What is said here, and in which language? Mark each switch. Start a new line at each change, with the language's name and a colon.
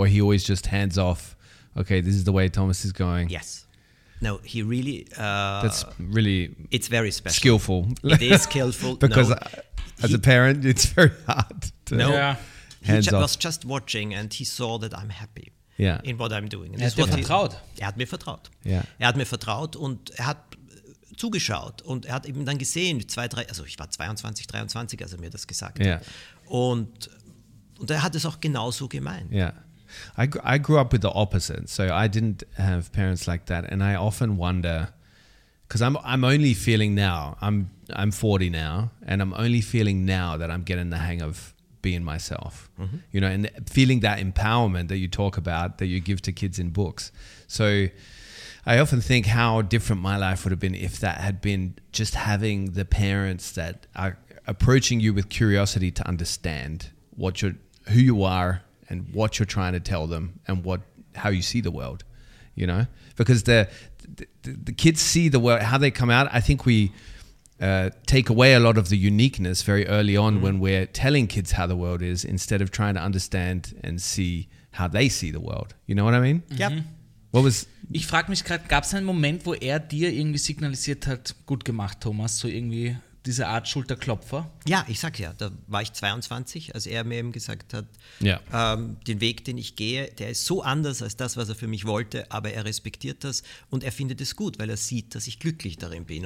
English: Or he always just hands off, okay, this is the way Thomas is going? Yes. No, he really... That's really... It's very special. Skillful. It is skillful. Because as a parent, it's very hard to... No. Yeah. He was just watching and he saw that I'm happy. Yeah. In what I'm doing.
German: Er hat mir vertraut. Er hat mir vertraut.
English: Yeah.
German: Er hat mir vertraut und er hat zugeschaut und er hat eben dann gesehen, ich war 22, 23, als er mir das gesagt hat. Und er hat es auch genauso gemeint.
English: Yeah. I grew up with the opposite. So I didn't have parents like that. And I often wonder, because I'm only feeling now, I'm 40 now, and I'm only feeling now that I'm getting the hang of being myself, you know, and feeling that empowerment that you talk about that you give to kids in books. So I often think how different my life would have been if that had been just having the parents that are approaching you with curiosity to understand who you are and what you're trying to tell them and how you see the world, you know, because the kids see the world, how they come out. I think we take away a lot of the uniqueness very early on when we're telling kids how the world is instead of trying to understand and see how they see the world. You know what I mean? Yep.
German: Ich frage mich gerade, gab es einen Moment, wo er dir irgendwie signalisiert hat, gut gemacht, Thomas, so irgendwie diese Art Schulterklopfer? Ja, ich sag ja, da war ich 22, als er mir eben gesagt hat, den Weg, den ich gehe, der ist so anders als das, was er für mich wollte, aber er respektiert das und er findet es gut, weil er sieht, dass ich glücklich darin bin.